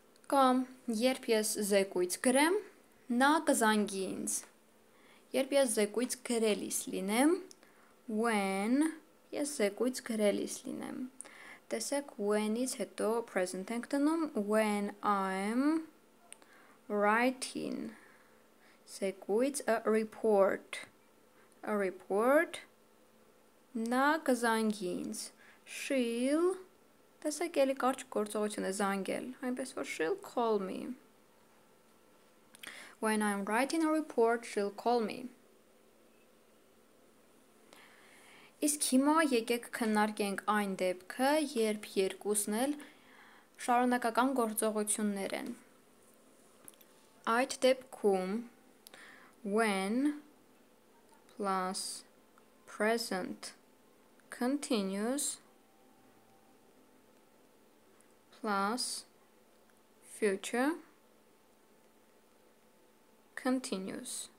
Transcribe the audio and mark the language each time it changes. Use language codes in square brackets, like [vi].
[hy] Կամ երբ ես զեկույց գրեմ, նա կզանգի ինձ։ Երբ ես զեկույց գրելիս լինեմ, when ես զեկույց գրելիս լինեմ։ Տեսեք, when-ից հետո present ենք տնում, [en] when I'm writing [hy] զեկույց [en] a report. A report, [hy] նա կզանգի ինձ։ She'll տեսեք, էլի կարճ գործողություն է զանգել, այնպես որ [en] she'll call me. When I'm writing a report, she'll call me. [hy] Իսկ հիմա եկեք քննարկենք այն դեպքը, երբ երկուսն էլ շարունակական գործողություններ են։ Այդ դեպքում [en] when plus present continuous plus future continuous.